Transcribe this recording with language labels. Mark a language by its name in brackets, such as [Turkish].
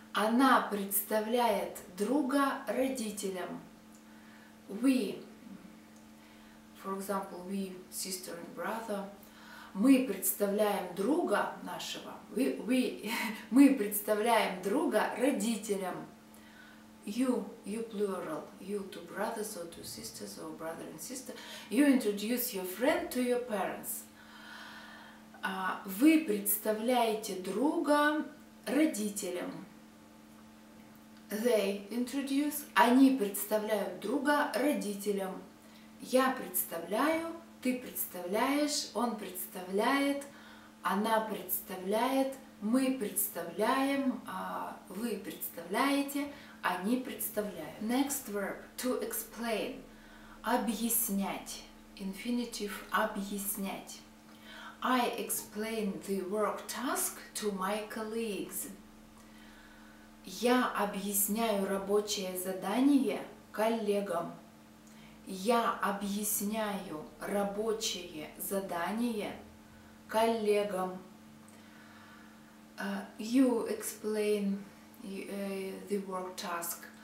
[Russian] Она представляет друга родителям. [English] We, for example, we, sister and brother, [Russian] мы представляем друга нашего. Мы представляем друга родителям. [English] You plural, you two brothers or two sisters or brother and sister. You introduce your friend to your parents. [Russian] Вы представляете друга родителям. [English] They introduce. [Russian] Они представляют друга родителям. Я представляю, ты представляешь, он представляет, она представляет, мы представляем, вы представляете, они представляют. [English] Next verb – to explain – объяснять. Infinitive – объяснять. I explain the work task to my colleagues. [Russian] Я объясняю рабочее задание коллегам. Я объясняю рабочее задание коллегам. [English] You explain the work task.